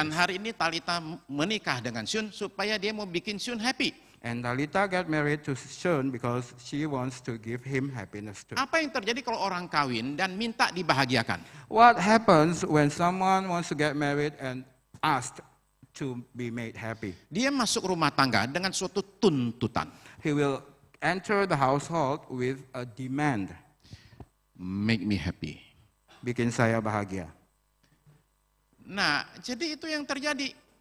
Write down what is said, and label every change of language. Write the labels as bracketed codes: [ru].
[id] Dan hari ini Talita menikah dengan Shun supaya dia mau bikin Shun happy. [en] And Talita get married to Shun because she wants to give him happiness too. [id] Apa yang terjadi kalau orang kawin dan minta dibahagiakan? [en] What happens when someone wants to get married and asked to be made happy. [id] Dia masuk rumah tangga dengan suatu tuntutan. [en] He will enter the household with a demand. Make me happy. [id] Bikin saya bahagia. Nah, jadi itu yang terjadi.